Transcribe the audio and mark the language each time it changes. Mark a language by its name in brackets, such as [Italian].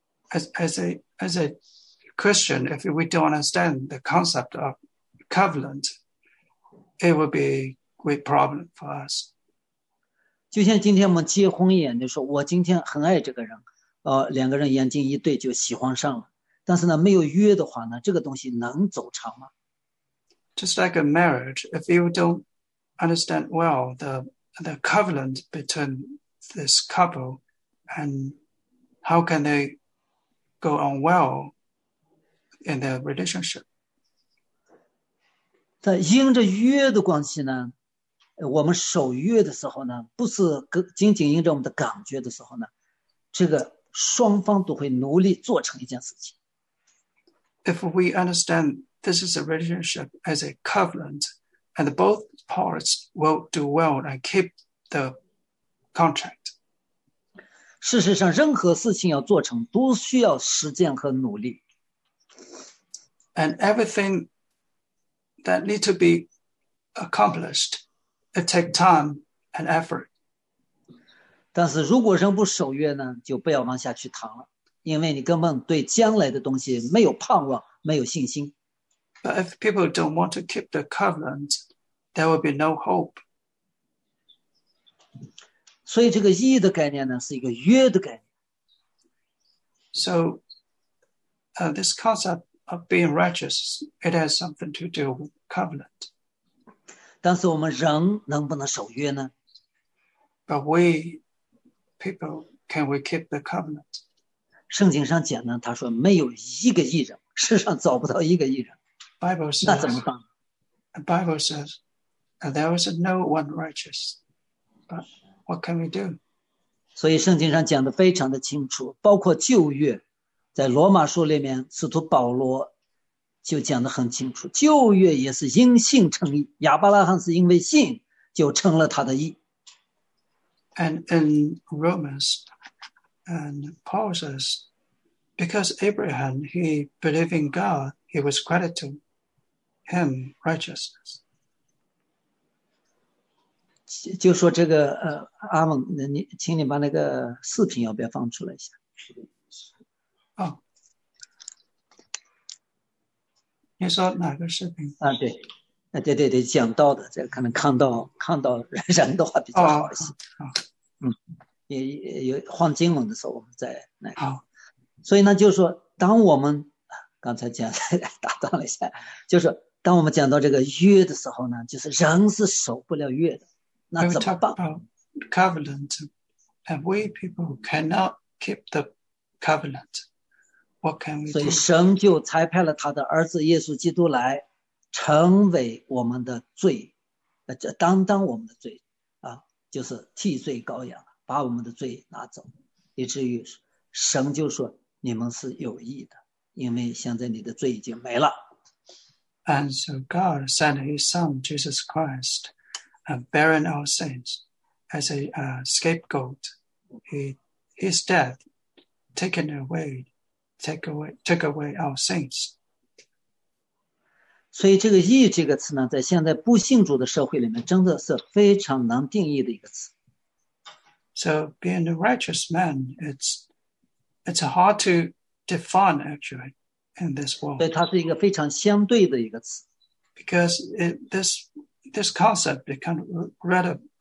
[English] As a Christian, if we don't understand the concept of covenant, it will be a great problem for us. [Chinese] 就像今天我们结婚一样，就说我今天很爱这个人，两个人眼睛一对就喜欢上了。但是呢，没有约的话呢，这个东西能走长吗？ [English] Just like a marriage, if you don't understand well the covenant between this couple, and how can they go on well in their relationship? [Chinese] 在因着约的关系呢，我们守约的时候呢，不是仅仅因着我们的感觉的时候呢，这个双方都会努力做成一件事情。 [English] If we understand this is a relationship as a covenant, and both parts will do well and keep the contract. [Chinese] 事实上，任何事情要做成，都需要时间和努力。 [English] And everything that needs to be accomplished, it takes time and effort. [Chinese] 但是如果人不守约呢，就不要往下去谈了。因为你根本对将来的东西没有盼望，没有信心。 [English] But if people don't want to keep the covenant, there will be no hope. [Chinese] 所以这个义的概念呢，是一个约的概念。 [English] So, this concept of being righteous, it has something to do with covenant. [Chinese] 但是我们人能不能守约呢？ [English] But we, people, can we keep the covenant? [Chinese] 圣经上讲呢，他说没有一个义人，世上找不到一个义人。 [English] Bible says, [Chinese] 那怎么办 [English] ？Bible says, there is no one righteous. But what can we do? [Chinese] 所以圣经上讲的非常的清楚，包括旧约，在罗马书里面，使徒保罗就讲的很清楚，旧约也是因信称义，亚伯拉罕是因为信就称了他的义。 [English] And in Romans. And Paul says, because Abraham, he believed in God, he was credited to him righteousness. [Chinese] 就说这个阿蒙，请你把那个视频要不要放出来一下？哦、oh, 你说哪个视频？啊，对，啊，对对对，讲到的，这可能看到人的话比较好一些。好，嗯，有换经文的时候我们再来。好，所以呢，就是说，当我们刚才讲打断了一下，就是当我们讲到这个约的时候呢，就是人是守不了约的，那怎么办 [English] ？Covenant, and we people cannot keep the covenant. What can we do? [Chinese] 所以神就差派了他的儿子耶稣基督来，成为我们的罪，担当我们的罪，啊，就是替罪羔羊，把我们的罪拿走，以至于神就说你们是有义的。因为现在你的罪已经没了。 [English] And so God sent his son, Jesus Christ, and bearing our sins as a scapegoat. His death took away our sins. 所以这个义这个词呢，在现在不信主的社会里面真的是非常难定义的一个词。 So being a righteous man, it's hard to define actually. In this world. [Chinese] 对，它是一个非常相对的一个词。 [English] Because this concept becomes relative.